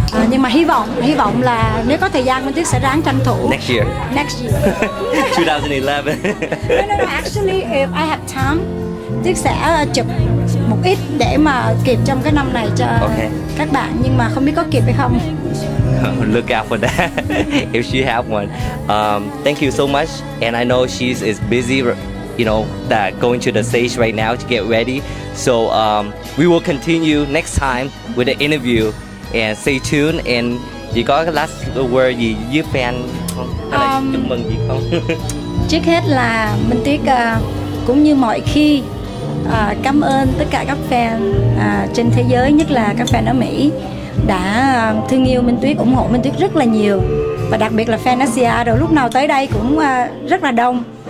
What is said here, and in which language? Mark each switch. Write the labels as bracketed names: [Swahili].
[Vietnamese] Nhưng mà hy vọng là nếu có thời gian, Minh Tuyết sẽ ráng tranh thủ. [English] Next year 2011. No, actually if I have time, [Vietnamese] Tuyết sẽ chụp một ít để mà kịp trong cái năm này cho các bạn, nhưng mà không biết có kịp hay không. [English] Look out for that if she have one. Thank you so much, and I know she is busy, you know, that going to the stage right now to get ready. So we will continue next time with the interview, and stay tuned. And you got last word [Vietnamese] gì với fan chúc mừng gì không? Trước hết là Minh Tuyết cũng như mọi khi cảm ơn tất cả các fan trên thế giới, nhất là các fan ở Mỹ đã thương yêu Minh Tuyết, ủng hộ Minh Tuyết rất là nhiều, và đặc biệt là fan Asia rồi lúc nào tới đây cũng rất là đông.